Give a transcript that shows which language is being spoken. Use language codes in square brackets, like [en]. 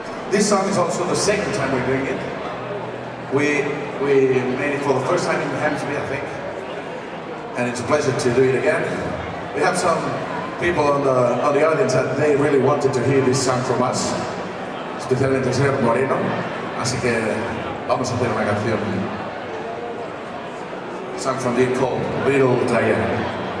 [en] This song is also the second time we're doing it. We made it for the first time in Hampshire, I think. And it's a pleasure to do it again. We have some people on the audience that they really wanted to hear this song from us. [es] Especialmente Sergio Moreno. Así que vamos a hacer una canción. [en] Song from the called Little Diana.